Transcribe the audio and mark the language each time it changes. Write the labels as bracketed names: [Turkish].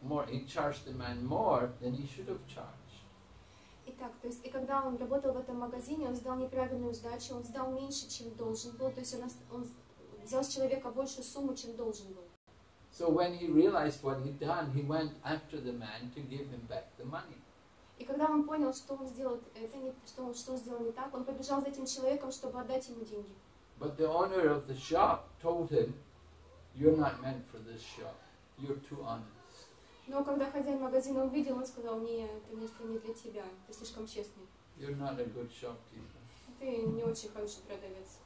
[English] He'd charged the man more than he should have charged. [Russian] Итак, то есть, и когда он работал в этом магазине, он сдал неправильную сдачу, он сдал меньше, чем должен был, то есть он взял с человека большую сумму, чем должен был. [English] So when he realized what he'd done, he went after the man to give him back the money. [Russian] И когда он понял, что он сделал, это не, что он сделал не так, он побежал за этим человеком, чтобы отдать ему деньги. [English] But the owner of the shop told him, "You're not meant for this shop. You're too honest." [Russian] Но когда хозяин магазина увидел, он сказал: "Не, это место не для тебя. Ты слишком честный." [English] You're not a good shopkeeper. [Russian] Ты не очень хороший продавец.